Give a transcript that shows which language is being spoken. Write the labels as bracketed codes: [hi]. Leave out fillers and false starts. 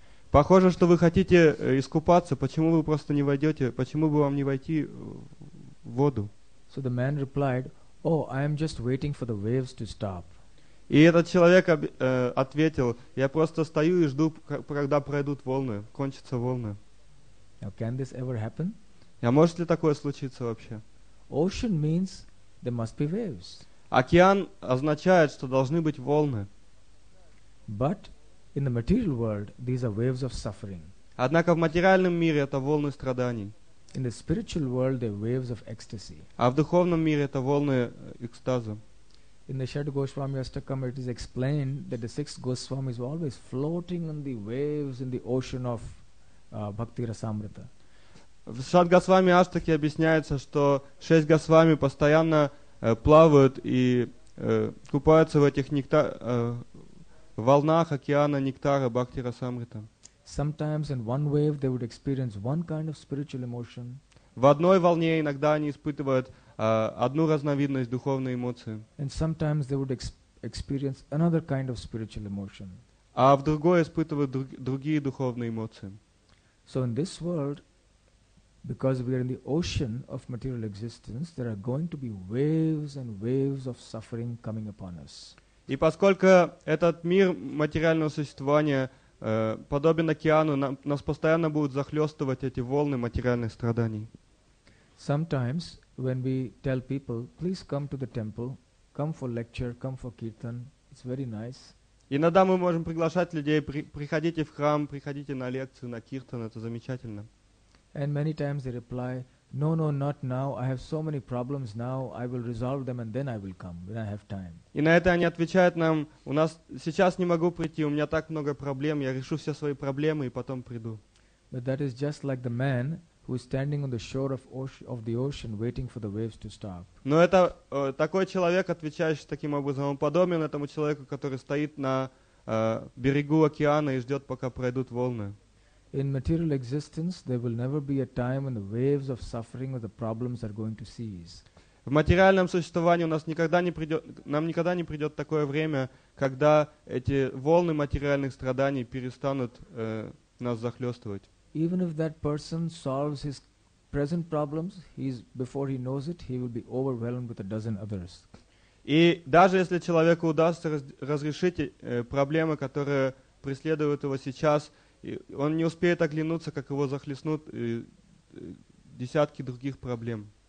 [ru] Похоже, что вы хотите искупаться, почему вы просто не войдете, почему бы вам не войти в воду? [en] So the man replied, oh, I am just waiting for the waves to stop. [ru] И этот человек ответил, я просто стою и жду, когда пройдут волны, кончатся волны. [en] Now, can this ever happen? [ru] А может ли такое случиться вообще? [en] Ocean means there must be waves. [ru] Океан означает, что должны быть волны. [en] But in the material world, these are waves of suffering. [ru] Однако в материальном мире это волны страданий. [en] In the spiritual world, they're waves of ecstasy. [ru] А в духовном мире это волны экстаза. [en] In the Shat Goswami Astakam, it is explained that the sixth Goswami is always floating on the waves in the ocean of Bhakti Rasamrita. [ru] В Шат Госвами Аштаке объясняется, что шесть Госвами постоянно плавают и купаются в этих волнах океана нектара Бхакти Расамрита. [en] Sometimes in one wave they would experience one kind of spiritual emotion. [ru] В одной волне иногда они испытывают одну разновидность духовной эмоции. [en] And sometimes they would experience another kind of spiritual emotion. [ru] А в другой испытывают другие духовные эмоции. [en] So in this world, because we are in the ocean of material existence, there are going to be waves and waves of suffering coming upon us. [ru] И поскольку этот мир материального существования подобен океану, нас постоянно будут захлестывать эти волны материальных страданий. [en] Sometimes when we tell people, please come to the temple, come for lecture, come for kirtan, it's very nice. [ru] Иногда мы можем приглашать людей, приходите в храм, приходите на лекцию, на киртан, это замечательно. [en] And many times they reply, no, no, not now, I have so many problems now, I will resolve them and then I will come, when I have time. [ru] И на это они отвечают нам, у нас сейчас не могу прийти, у меня так много проблем, я решу все свои проблемы и потом приду. [en] But that is just like the man who is standing on the shore of the ocean waiting for the waves to stop. [ru] Но это такой человек, отвечающий таким образом, он подобен этому человеку, который стоит на берегу океана и ждет, пока пройдут волны. [en] In material existence, there will never be a time when the waves of suffering or the problems are going to cease. [ru] В материальном существовании у нас никогда не придет, нам никогда не придет такое время, когда эти волны материальных страданий перестанут нас захлестывать. [en] Even if that person solves his present problems, before he knows it, he will be overwhelmed with a dozen others. [ru] И даже если человеку удастся разрешить проблемы, которые преследуют его сейчас, и он не успеет оглянуться, как его захлестнут десятки других проблем.